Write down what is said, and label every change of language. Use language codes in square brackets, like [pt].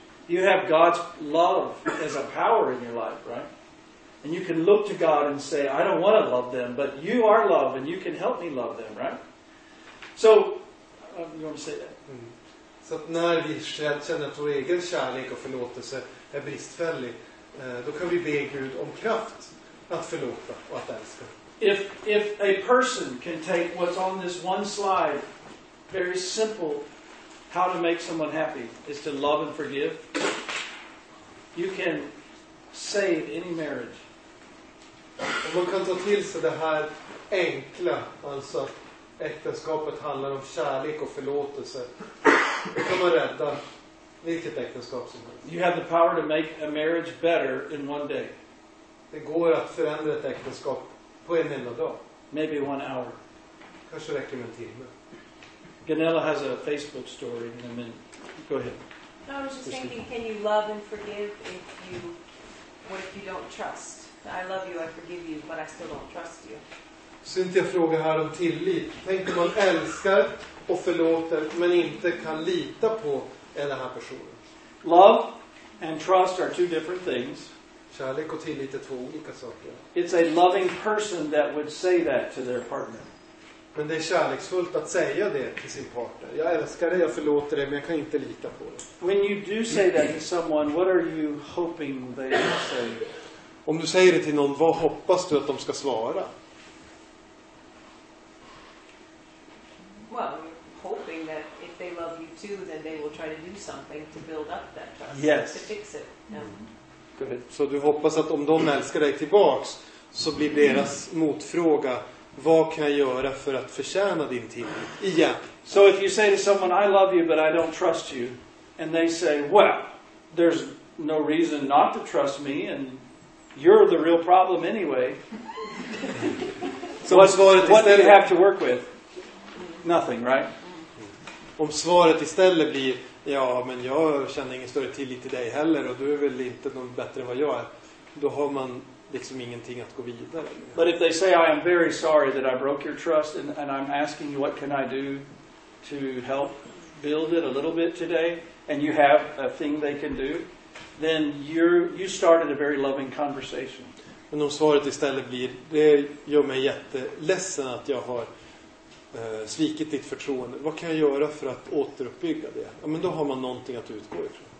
[en] You have God's love as a power in your life, right? And you can look to God and say, I don't want to love them, but you are love and you can help me love them, right? So, you want to say that? [sv] Så att när vi känner att vår egen kärlek och förlåtelse är bristfällig, då kan vi be Gud om kraft att förlåta och att älska. [en] If a person can take what's on this one slide, very simple, how to make someone happy, is to love and forgive, you can save any marriage. [sv] Om man kan ta till sig det här enkla, alltså att äktenskapet handlar om kärlek och förlåtelse, då kan man rädda vilket äktenskap som helst. [en] You have the power to make a marriage better in one day. [sv] Det går att förändra ett äktenskap på en enda dag. [en] Maybe one hour. [sv] Kanske räcker med en timme. [en] Gunilla has a Facebook story in a minute. Go ahead. No, I was just thinking, can you love and forgive what if you don't trust? I love you, I forgive you, but I still don't trust you. [sv] Cynthia frågar här om tillit. Tänk om man älskar och förlåter men inte kan lita på den här personen. [en] Love and trust are two different things. [sv] Kärlek och tillit är två olika saker. [en] It's a loving person that would say that to their partner. [sv] Men det är kärleksfullt att säga det till sin partner. Jag älskar dig, jag förlåter dig, men jag kan inte lita på det. [en] When you do say that to someone, what are you hoping they will say? [sv] Om du säger det till någon, vad hoppas du att de ska svara? [en] Well, hoping that if they love you too, then they will try to do something to build up that trust. Yes. To fix it. Mm. [sv] Så du hoppas att om de älskar dig tillbaks, så blir deras motfråga, vad kan jag göra för att förtjäna din tillit igen? [en] So if you say to someone, I love you but I don't trust you, and they say, well, there's no reason not to trust me and you're the real problem anyway. So what do you have to work with? Nothing, right? [sv] Om svaret istället blir, ja, men jag känner ingen större tillit till dig heller och du är väl inte någon bättre än vad jag är, då har man liksom ingenting att gå vidare. [en] But if they say, I am very sorry that I broke your trust and I'm asking you, what can I do to help build it a little bit today, and you have a thing they can do, then you started a very loving conversation. [sv] Men om svaret istället blir, det gör mig jätteledsen att jag har svikit ditt förtroende. Vad kan jag göra för att återuppbygga det? Ja, men då har man någonting att utgå ifrån.